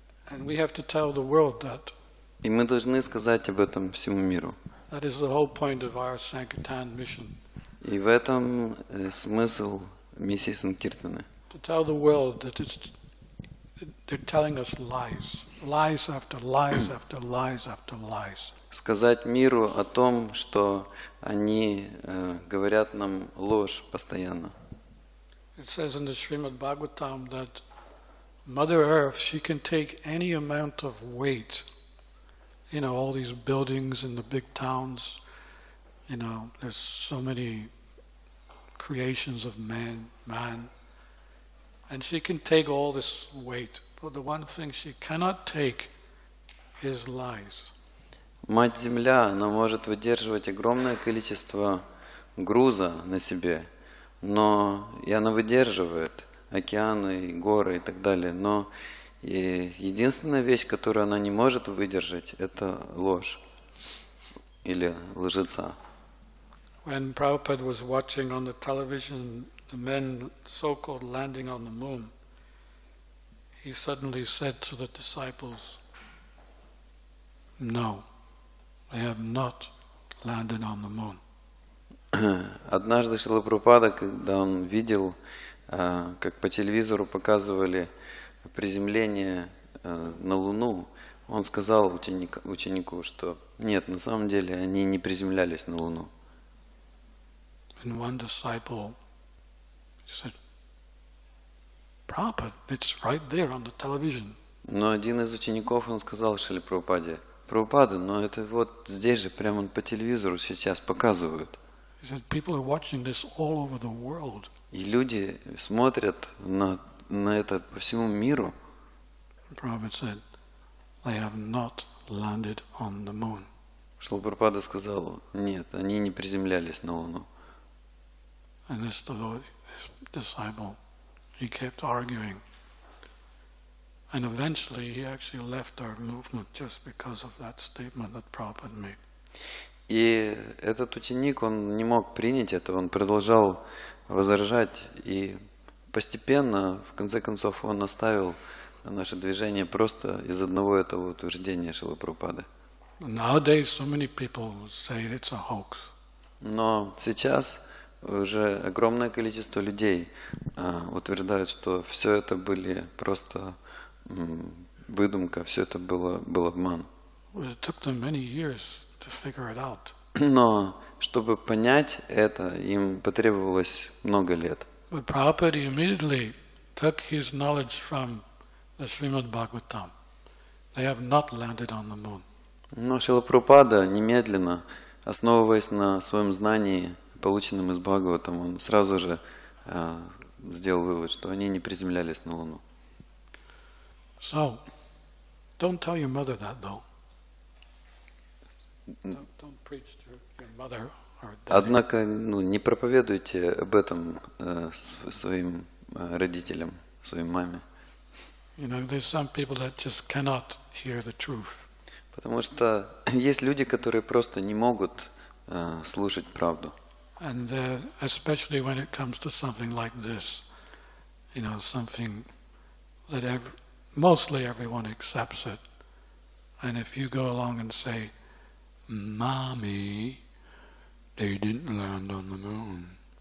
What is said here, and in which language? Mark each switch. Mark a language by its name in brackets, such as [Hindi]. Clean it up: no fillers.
[English] And we have to tell the world that. [Russian] И мы должны сказать об этом всему миру. [English] That is the whole point of our Sankirtan mission. [Russian] И в этом смысл миссии Санкиртаны. [English] To tell the world that they're telling us lies, lies after lies after lies after lies. [Russian] Сказать миру о том, что они говорят нам ложь постоянно. [English] It says in the Srimad Bhagavatam that Mother Earth, she can take any amount of weight. You know, all these buildings in the big towns, you know, there's so many creations of man, and she can take all this weight, but the one thing she cannot take is lies. [Russian] Мать-Земля, она может выдерживать огромное количество груза на себе, но, и она выдерживает океаны, и горы и так далее, но и единственная вещь, которую она не может выдержать, это ложь или лжеца. [English] When Prabhupada was watching on the television the men so-called landing on the moon, he suddenly said to the disciples, "No, they have not landed on the moon." [Russian] Однажды Шрила Прабхупада, когда он видел, как по телевизору показывали приземление на Луну, он сказал ученику, что нет, на самом деле они не приземлялись на Луну. [English] And one disciple said, Prabhupada, it's right there on the television. [Russian] Но один из учеников, он сказал Шриле Прабхупаде, Прабхупада, но это вот здесь же, прямо по телевизору сейчас показывают. [English] He said, people are watching this all over the world. [Russian] И люди смотрят на это по всему миру. [English] Prabhupada said, they have not landed on the moon. [Russian] Шрила Прабхупада сказал, нет, они не приземлялись на Луну. [English] And this disciple, he kept arguing. And eventually he actually left our movement just because of that statement that Prabhupada made. [Russian] И этот ученик, он не мог принять это, он продолжал возражать, и постепенно, в конце концов, он оставил наше движение просто из одного этого утверждения Шрилы Прабхупады. [English] Nowadays so many people say it's a hoax. [Russian] Но сейчас уже огромное количество людей утверждают, что все это были просто выдумка, все это был обман. [English] It took them many years to figure it out. [Russian] Но чтобы понять это, им потребовалось много лет. [English] But Prabhupada immediately took his knowledge from the Srimad Bhagavatam. They have not landed on the moon. [Russian] Но Шрила Прабхупада немедленно, основываясь на своем знании, полученном из Бхагаватам, он сразу же сделал вывод, что они не приземлялись на Луну. [English] So, don't tell your mother that, though. Don't preach to your mother or daddy. [Russian] Однако, ну, не проповедуйте об этом своим родителям, своей маме. [English] You know, there's some people that just cannot hear the truth. [Russian] Потому что есть люди, которые просто не могут слушать правду. [English] And especially when it comes to something like this, you know, something that mostly everyone accepts it. And if you go along and say, "Mommy, they didn't land on the moon."